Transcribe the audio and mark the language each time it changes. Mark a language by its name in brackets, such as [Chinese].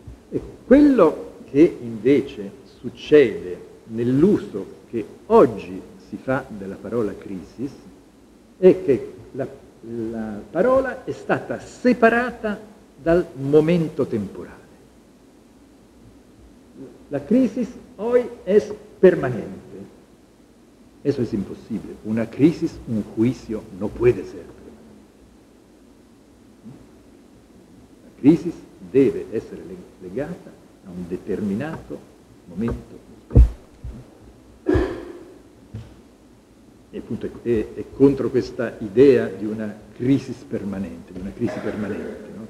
[Italian] E quello che invece succede nell'uso che oggi si fa della parola crisis è che la parola è stata separata dal momento temporale. La crisis oggi è permanente. [Spanish] Eso es impossibile. Una crisis, un juicio, no puede ser permanente. [Italian] La crisis deve essere legata a un determinato momento. E appunto è contro questa idea di una crisis permanente, di una crisi permanente, no?